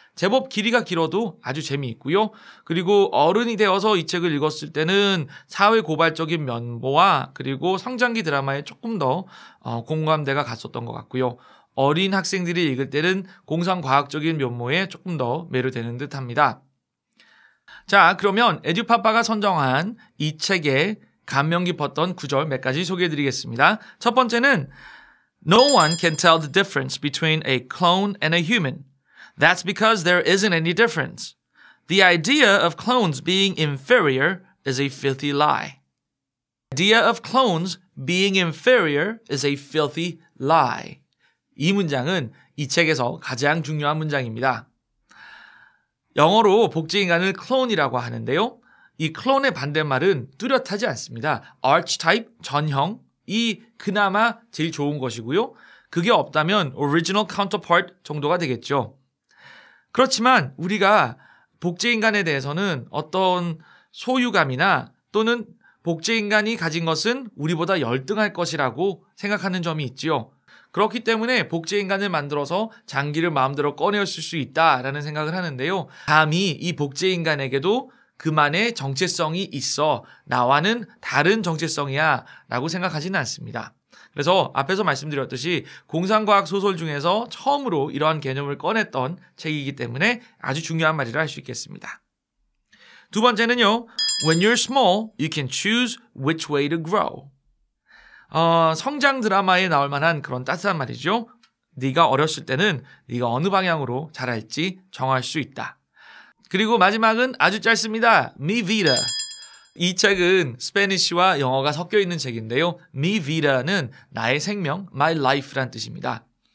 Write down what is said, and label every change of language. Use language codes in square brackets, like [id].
[ko] 제법 길이가 길어도 아주 재미있고요. 그리고 어른이 되어서 이 책을 읽었을 때는 사회고발적인 면모와 그리고 성장기 드라마에 조금 더 공감대가 갔었던 것 같고요. 어린 학생들이 읽을 때는 공상과학적인 면모에 조금 더 매료되는 듯합니다. 자, 그러면 에듀파파가 선정한 이 책에 감명 깊었던 구절 몇 가지 소개해드리겠습니다. 첫 번째는 [en] No one can tell the difference between a clone and a human. That's because there isn't any difference. The idea of clones being inferior is a filthy lie. Idea of clones being inferior is a filthy lie. [ko] 이 문장은 이 책에서 가장 중요한 문장입니다. 영어로 복제인간을 클론이라고 하는데요. 이 클론의 반대말은 뚜렷하지 않습니다. Archetype, 전형이 그나마 제일 좋은 것이고요. 그게 없다면 Original Counterpart 정도가 되겠죠. 그렇지만 우리가 복제인간에 대해서는 어떤 소유감이나 또는 복제인간이 가진 것은 우리보다 열등할 것이라고 생각하는 점이 있지요. 그렇기 때문에 복제인간을 만들어서 장기를 마음대로 꺼내었을 수 있다라는 생각을 하는데요. 감히 이 복제인간에게도 그만의 정체성이 있어 나와는 다른 정체성이야 라고 생각하지는 않습니다. 그래서 앞에서 말씀드렸듯이 공상과학 소설 중에서 처음으로 이러한 개념을 꺼냈던 책이기 때문에 아주 중요한 말이라 할 수 있겠습니다. 두 번째는요. [en] When you're small, you can choose which way to grow. [ko] 성장 드라마에 나올 만한 그런 따뜻한 말이죠. 네가 어렸을 때는 네가 어느 방향으로 자랄지 정할 수 있다. 그리고 마지막은 아주 짧습니다. [es] Mi Vida. [ko] 이 책은 스페니쉬와 영어가 섞여 있는 책인데요. Mi Vida는 나의 생명, [en] My Life [ko] 란 뜻입니다.